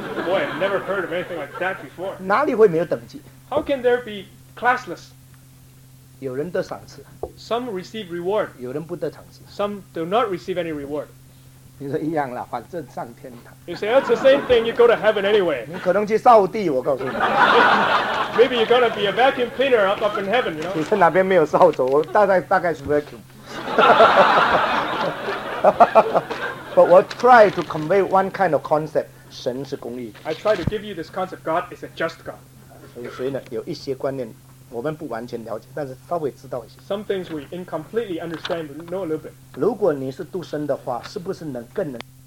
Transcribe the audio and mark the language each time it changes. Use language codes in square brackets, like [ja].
[en] Boy, I've never heard of anything like that before. [zh] 哪里会没有等级？ [en] How can there be classless? [zh] 有人得赏赐。 [en] Some receive reward. [zh] 有人不得赏赐。 [en] Some do not receive any reward. [zh] 你说一样了，反正上天堂。 [en] You say that's the same thing. You go to heaven anyway. [zh] 你可能去扫地，我告诉你。 [en] Maybe you're gonna be a vacuum cleaner up in heaven, you know? [zh] 你在哪边没有扫帚？我大概是 vacuum. [en] But we try to convey one kind of concept. [zh] 神是公义。 [en] I try to give you this concept. God is a just God. [zh] 所以呢，有一些观念我们不完全了解，但是稍微知道一些。 [en] Some things we incompletely understand, but know a little bit. [zh] 如果你是独生的话，是不是能更能？